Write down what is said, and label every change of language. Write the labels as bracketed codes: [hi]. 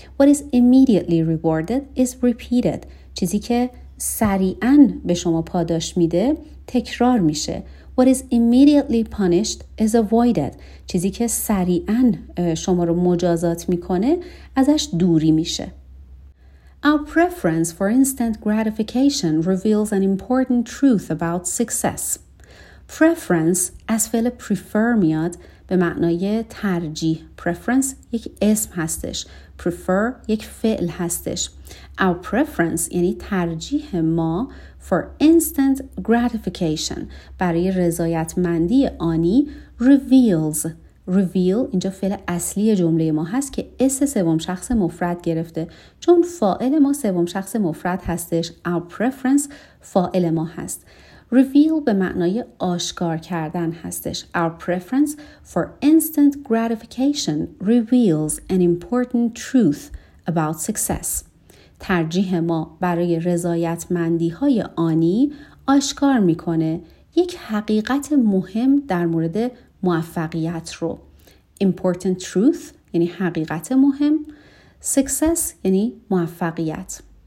[en] What is immediately rewarded is repeated. [fa] چیزی که سریعاً به شما پاداش میده تکرار میشه. [en] What is immediately punished is avoided. [fa] چیزی که سریعاً شما رو مجازات میکنه ازش دوری میشه. [en] Our preference for instant gratification reveals an important truth about success. [fa] Preference از فعل prefer میاد، به معنای ترجیح. Preference یک اسم هستش، prefer یک فعل هستش. [en] Our preference [fa] یعنی ترجیح ما [en] for instant gratification، [fa] برای رضایتمندی آنی، [en] reveals. [fa] Reveal اینجا فعل اصلی جمله ما هست که اس سوم شخص مفرد گرفته، چون فاعل ما سوم شخص مفرد هستش، our preference فاعل ما هست. Reveal به معنای آشکار کردن هستش. [en] Our preference for instant gratification reveals an important truth about success. [fa] ترجیح ما برای رضایتمندی های آنی آشکار میکنه یک حقیقت مهم در مورد موفقیت رو. Important truth یعنی حقیقت مهم. Success یعنی موفقیت.